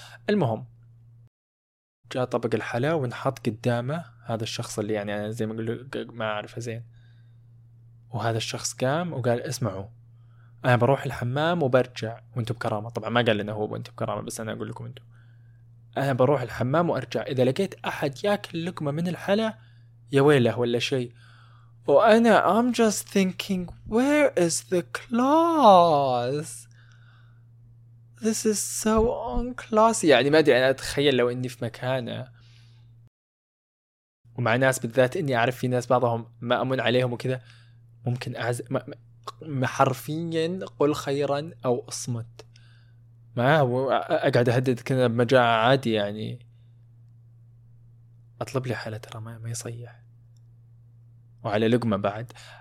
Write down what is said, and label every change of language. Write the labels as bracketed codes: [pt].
[ar] المهم جاء طبق الحلا ونحط قدامه هذا الشخص اللي يعني انا زي ما اقول ما اعرفه زين، وهذا الشخص قام وقال اسمعوا انا بروح الحمام وبرجع وانتم بكرامة، طبعا ما قال لنا هو وانتم بكرامة بس انا اقول لكم انتم، انا بروح الحمام وارجع، اذا لقيت احد ياكل لقمة من الحلا يا ويله ولا شيء. وانا [en] I'm just thinking where is the class, this is so unclassy. [ar] يعني ما ادري انا اتخيل لو اني في مكانه ومع ناس، بالذات اني اعرف في ناس بعضهم ما امن عليهم وكذا، ممكن حرفيا قل خيرا او اصمت، ما اقعد اهدد كنا بمجاعة عادي، يعني اطلب لي حالة ترى ما يصيح وعلى لقمة بعد.